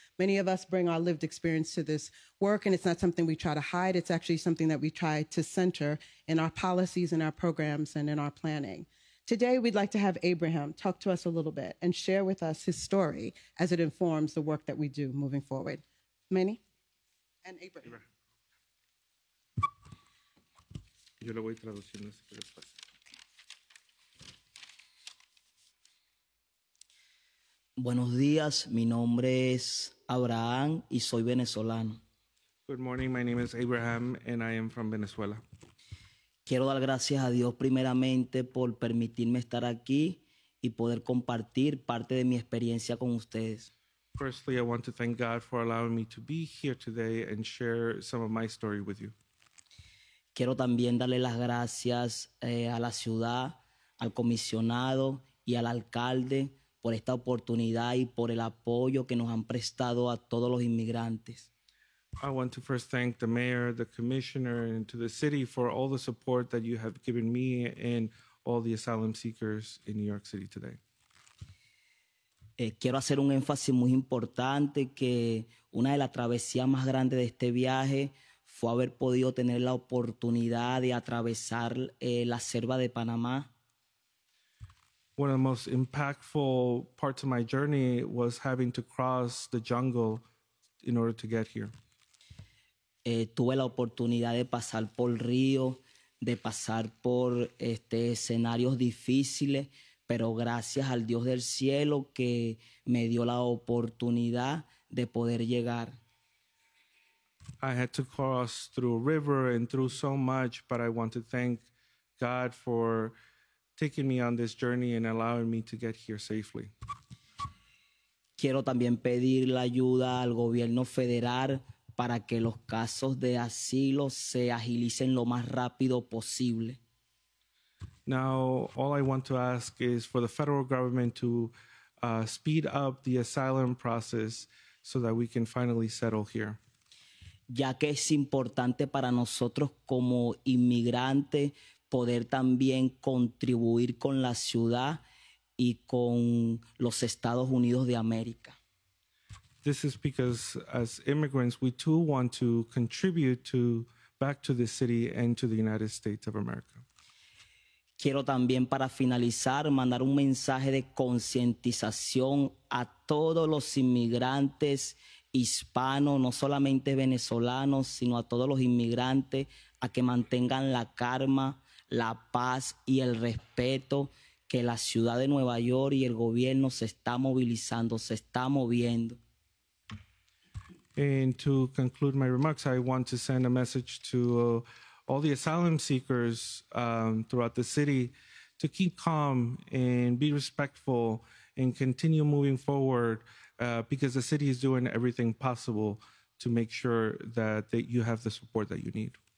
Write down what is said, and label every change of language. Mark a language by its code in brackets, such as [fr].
[en] Many of us bring our lived experience to this work, and it's not something we try to hide. It's actually something that we try to center in our policies, in our programs, and in our planning. Today, we'd like to have Abraham talk to us a little bit and share with us his story as it informs the work that we do moving forward. Manny and Abraham. Abraham. [es] Yo lo voy traduciendo, así que les pase. Buenos días, mi nombre es Abraham y soy venezolano. [en] Good morning, my name is Abraham and I am from Venezuela. [es] Quiero dar gracias a Dios primeramente por permitirme estar aquí y poder compartir parte de mi experiencia con ustedes. [en] Firstly, I want to thank God for allowing me to be here today and share some of my story with you. [es] Quiero también darle las gracias a la ciudad, al comisionado y al alcalde por esta oportunidad y por el apoyo que nos han prestado a todos los inmigrantes. [en] I want to first thank the mayor, the commissioner, and to the city for all the support that you have given me and all the asylum seekers in New York City today. [es] Quiero hacer un énfasis muy importante que una de las travesías más grandes de este viaje fue haber podido tener la oportunidad de atravesar la selva de Panamá. [en] One of the most impactful parts of my journey was having to cross the jungle in order to get here. [es] Tuve la oportunidad de pasar por río, de pasar por escenarios difíciles, pero gracias al Dios del cielo que me dio la oportunidad de poder llegar. [en] I had to cross through a river and through so much, but I want to thank God for taking me on this journey and allowing me to get here safely. [es] Quiero también pedir la ayuda al gobierno federal para que los casos de asilo se agilicen lo más rápido posible. [en] Now, all I want to ask is for the federal government to speed up the asylum process so that we can finally settle here. [es] ya que es importante para nosotros como inmigrantes poder también contribuir con la ciudad y con los Estados Unidos de América. [en] This is because as immigrants, we too want to contribute to back to the city and to the United States of America. [es] Quiero también para finalizar mandar un mensaje de concientización a todos los inmigrantes hispanos, no solamente venezolanos, sino a todos los inmigrantes, a que mantengan la calma, la paz y el respeto que la ciudad de Nueva York y el gobierno se está movilizando, se está moviendo. [en] And to conclude my remarks, I want to send a message to all the asylum seekers throughout the city to keep calm and be respectful and continue moving forward because the city is doing everything possible to make sure that you have the support that you need.